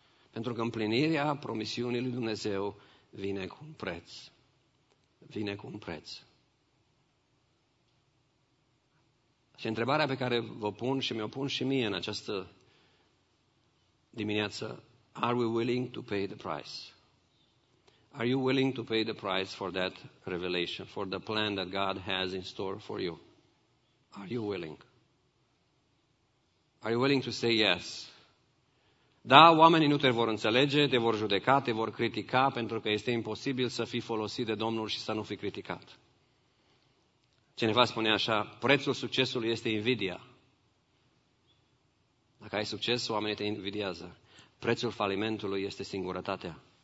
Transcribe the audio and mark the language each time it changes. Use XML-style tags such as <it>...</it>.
<ro>Pentru că împlinirea promisiunii lui Dumnezeu vine cu un preț. Vine cu un preț. Și întrebarea pe care vă pun și mi-o pun și mie în această dimineață,</ro> <en>are we willing to pay the price? Are you willing to pay the price for that revelation, for the plan that God has in store for you? Are you willing? Are you willing to say yes?</en> <ro>Da, oamenii nu te vor înțelege, te vor judeca, te vor critica, pentru că este imposibil să fii folosit de Domnul și să nu fii criticat. Cineva spune așa, prețul succesului este invidia. Dacă ai succes, oamenii te invidiază. Prețul falimentului este singurătatea.</ro>